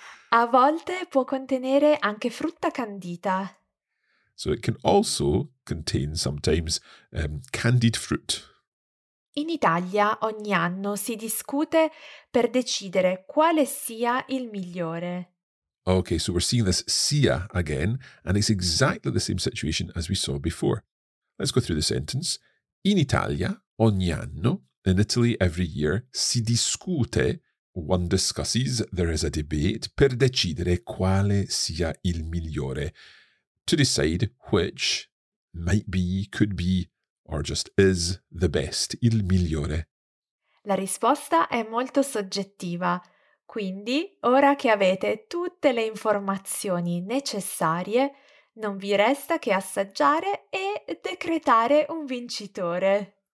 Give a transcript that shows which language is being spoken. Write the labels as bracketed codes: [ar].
[it] A volte può contenere anche frutta candita. [en] So it can also contain sometimes candied fruit. [it] In Italia ogni anno si discute per decidere quale sia il migliore. [en] Okay, so we're seeing this sia again, and it's exactly the same situation as we saw before. Let's go through the sentence. [it] In Italia ogni anno, [en] in Italy every year, [it] si discute, [en] one discusses, there is a debate, [it] per decidere quale sia il migliore. [en] To decide which might be, could be, or just is the best, il migliore. [it] La risposta è molto soggettiva, quindi ora che avete tutte le informazioni necessarie, non vi resta che assaggiare e decretare un vincitore.